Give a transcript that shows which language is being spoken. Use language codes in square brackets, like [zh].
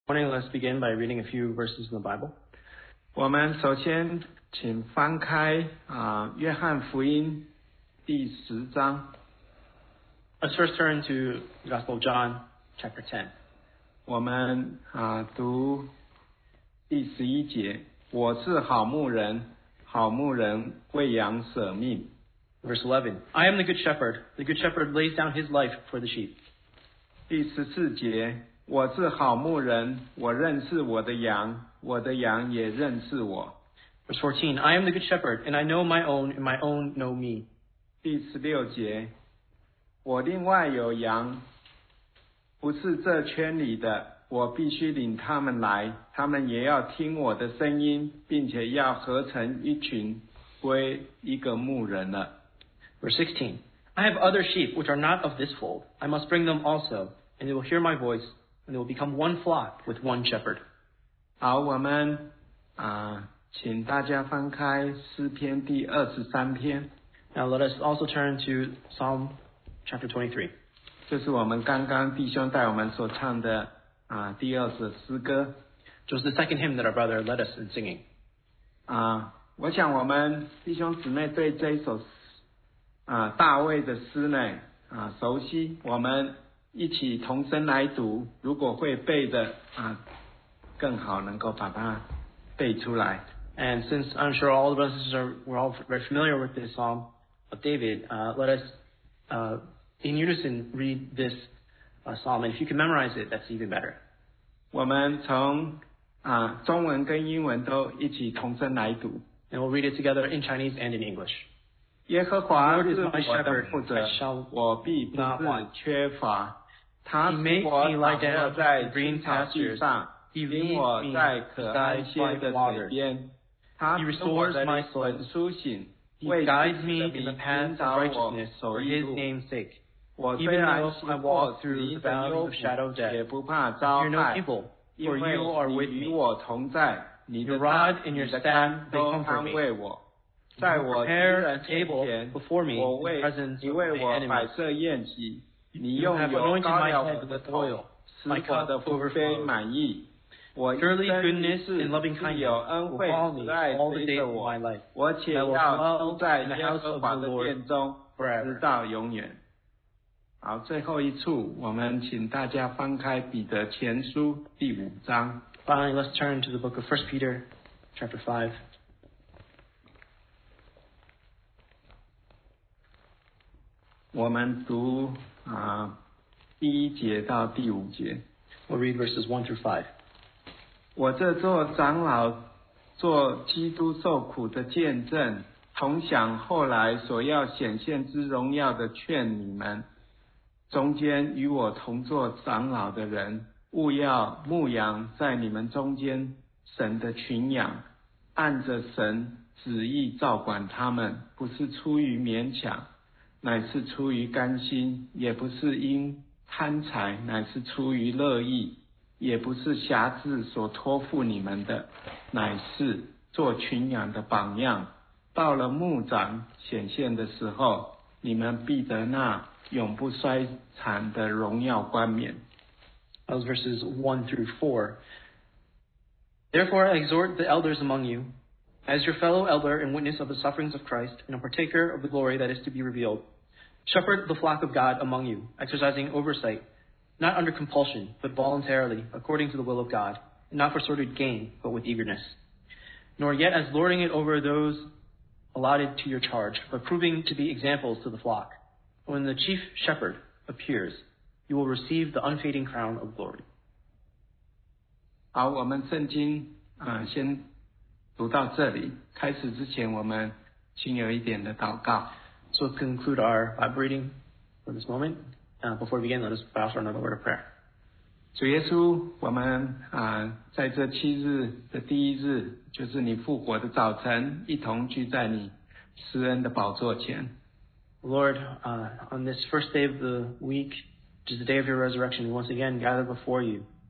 [en] Morning, let's begin by reading a few verses in the Bible. [zh] 我们首先请翻开约翰福音第十章。 [en] Let's first turn to the Gospel of John, chapter 10. [zh] 我们读第十一节，我是好牧人，好牧人为羊舍命。 [en] Verse 11, I am the good shepherd. The good shepherd lays down his life for the sheep. [zh] 第十四节，我是好牧人，我认识我的羊，我的羊也认识我。 [en] Verse 14, I am the good shepherd, and I know my own, and my own know me. [zh] 第十六节，我另外有羊，不是这圈里的，我必须领他们来，他们也要听我的声音，并且要合成一群，归一个牧人了。 [en] Verse 16, I have other sheep which are not of this fold. I must bring them also, and they will hear my voice. And they will become one flock with one shepherd. [zh] 好，我们请大家翻开诗篇第二十三篇。 [en] Now let us also turn to Psalm chapter 23. [zh] 这是我们刚刚弟兄带我们所唱的第二十诗歌。就是 [en] the second hymn that our brother led us in singing. [zh] 我想我们弟兄姊妹对这一首大卫的诗呢熟悉，我们。一起同声来读，如果会背的更好能够把它背出来。 [en] And since I'm sure all of us we're all very familiar with this psalm of David, let us in unison read this psalm. And if you can memorize it, that's even better. [zh] 我们从中文跟英文都一起同声来读。 [en] And we'll read it together in Chinese and in English. [zh] 耶和华是我的牧者，我必不致缺乏。他使我躺卧在青草地上，领我在可安歇的水边。他使我的灵魂苏醒，为自己的名寻找我所依附。我虽然行过死荫的幽谷，也不怕遭害，因为你与我同在。你的杖和你的竿都安慰我。在我敌人前，我为你为我摆设宴席，你用油膏了我的头，使我的福杯满溢。我一生一世必有恩惠慈爱随着我，我且要住在耶和华的殿中，直到永远。好，最后一处，我们请大家翻开彼得前书第五章。 [en] Finally, let's turn to the book of 1 Peter, chapter 5. [zh] 我们读第一节到第五节。 [en] We'll read verses 1 through 5. [zh] 我这做长老，做基督受苦的见证，同享后来所要显现之荣耀的，劝你们中间与我同做长老的人，务要牧养在你们中间神的群羊，按着神旨意照管他们，不是出于勉强，乃是出于甘心，也不是因贪财，乃是出于乐意，也不是辖制所托付你们的，乃是做群羊的榜样。到了牧长显现的时候，你们必得那永不衰残的荣耀冠冕。 [en] Those verses 1 through 4. Therefore I exhort the elders among you, as your fellow elder and witness of the sufferings of Christ, and a partaker of the glory that is to be revealed. Shepherd the flock of God among you, exercising oversight, not under compulsion, but voluntarily, according to the will of God, and not for sordid gain, but with eagerness. Nor yet as lording it over those allotted to your charge, but proving to be examples to the flock. When the chief shepherd appears, you will receive the unfading crown of glory. [zh] 好，我们圣经先读到这里。开始之前，我们先有一点的祷告。 [en] So let's conclude our Bible reading for this moment. Before we begin, let us bow for another word of prayer. [zh] 主耶稣，我们在这七日的第一日，就是你复活的早晨，一同聚在你施恩的宝座前。 [en] Lord, on this first day of the week, which is the day of your resurrection, we once again gather before you.